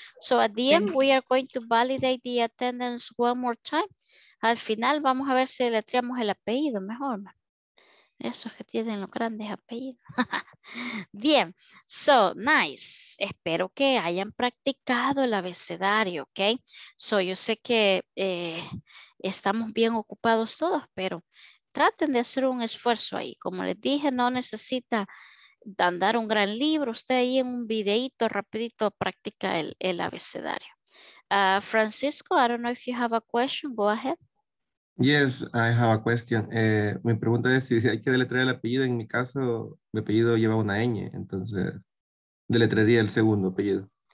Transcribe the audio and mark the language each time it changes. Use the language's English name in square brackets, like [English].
[English] So at the end, we are going to validate the attendance one more time. [Spanish] Al final, vamos a ver si deletreamos el apellido mejor. Esos que tienen los grandes apellidos. Bien, [English] so nice. [Spanish] Espero que hayan practicado el abecedario, ok. So yo sé que estamos bien ocupados todos, pero traten de hacer un esfuerzo ahí. Como les dije, no necesita andar un gran libro. Usted ahí en un videito rapidito practica el abecedario. [English] Francisco, I don't know if you have a question. Go ahead. Yes, I have a question. [Spanish] Mi pregunta es si hay que deletrear el apellido. En mi caso, mi apellido lleva una ñ, entonces deletrearía el segundo apellido.